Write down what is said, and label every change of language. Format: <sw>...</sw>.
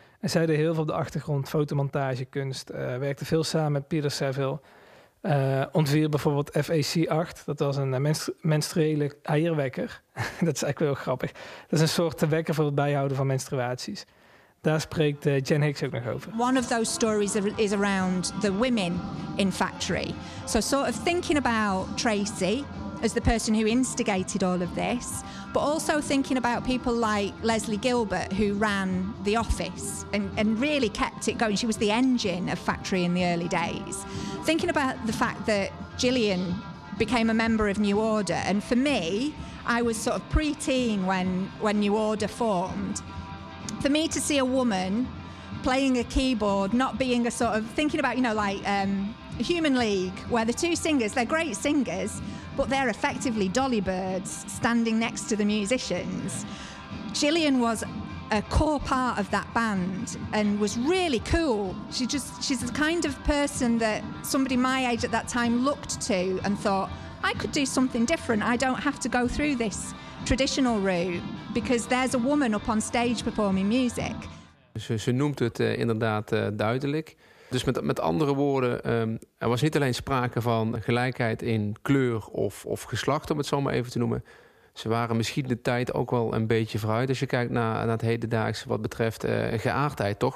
<nl>En zij deed heel veel op de achtergrond, fotomontagekunst. Werkte veel samen met Peter Saville. Ontwierp bijvoorbeeld FAC8. Dat was een menstruele eierwekker. Dat is eigenlijk wel grappig. Dat is een soort wekker voor het bijhouden van menstruaties. Daar spreekt Jen Hicks ook nog over.</nl> <en>One of those stories is around the women in Factory. So sort of thinking about Tracy as the person who instigated all of this, but also thinking about people like Leslie Gilbert, who ran the office and really kept it going. She was the engine of Factory in the early days. Thinking about the fact that Gillian became a member of New Order, and for me, I was sort of preteen when New Order formed. For me to see a woman playing a keyboard, not being a sort of, thinking about, you know, like Human League, where the two singers, they're great singers, but they're effectively dolly birds standing next to the musicians. Gillian was a core part of that band and was really cool. She's the kind of person that somebody my age at that time looked to and thought, I could do something different. I don't have to go through this traditional route because there's a woman up on stage performing music.</en> <nl>Ze noemt het inderdaad duidelijk. Dus met andere woorden, er was niet alleen sprake van gelijkheid in kleur of geslacht, om het zo maar even te noemen. Ze waren misschien de tijd ook wel een beetje vooruit. Als je kijkt naar het hedendaagse wat betreft geaardheid, toch?</nl>